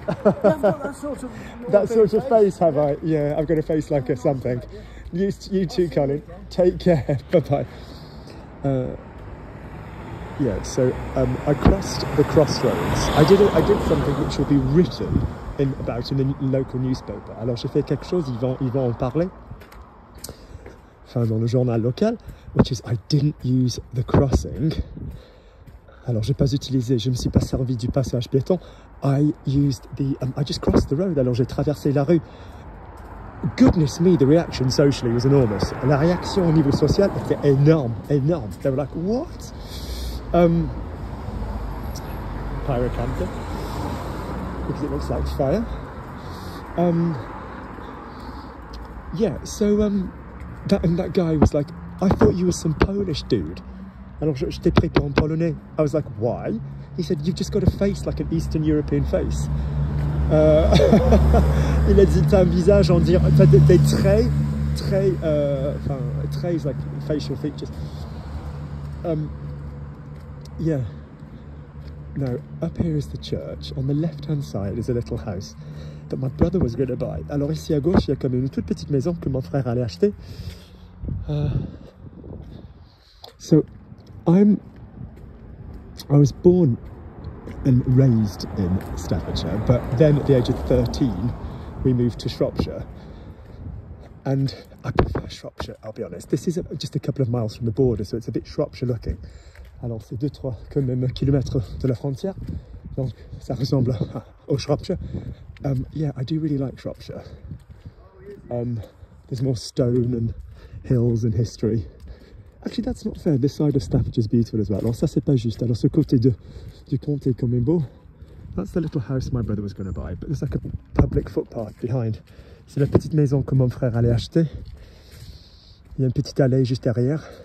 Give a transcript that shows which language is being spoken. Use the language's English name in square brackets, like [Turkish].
[English] I've got that sort of face, have I? Yeah, I've got a face like a something. You too, Colin. Take care. Bye-bye. I crossed the crossroads. I did something which will be written in the local newspaper. [French] Alors, j'ai fait quelque chose, ils vont en parler. Enfin, dans le journal local. [English] Which is, I didn't use the crossing. [French] Alors, j'ai pas utilisé, je me suis pas servi du passage piéton. [English] I just crossed the road. [French] Alors, j'ai traversé la rue. [English] Goodness me, the reaction socially was enormous. [French] La réaction au niveau social était énorme, énorme. [English] They were like, what? Pyrocanthe. Because it looks like fire. That guy was like, I thought you were some Polish dude. [French] Alors, j'étais pris pour un Polonais. [English] I was like, why? He said, you've just got a face like an Eastern European face. [French] Il a dit, t'as un visage, on dirait, t'as des traits, très, enfin, traits, [English] like facial features. Now, up here is the church. On the left-hand side is a little house that my brother was going to buy. [French] Alors, ici à gauche, il y a comme une toute petite maison que mon frère allait acheter. [English] I was born and raised in Staffordshire, but then at the age of 13, we moved to Shropshire. And I prefer Shropshire, I'll be honest. This is just a couple of miles from the border, so it's a bit Shropshire looking. [French] Alors, c'est 2-3 quand même kilomètres de la frontière. Donc, ça ressemble au Shropshire. [English] I do really like Shropshire. There's more stone and hills and history. Actually, that's not fair. This side of Staffordshire is beautiful as well. [French] Alors, ça, c'est pas juste. Alors, ce côté du comté est quand même beau. [English] That's the little house my brother was going to buy, but there's like a public footpath behind. [French] C'est la petite maison que mon frère allait acheter. Il y a une petite allée juste derrière.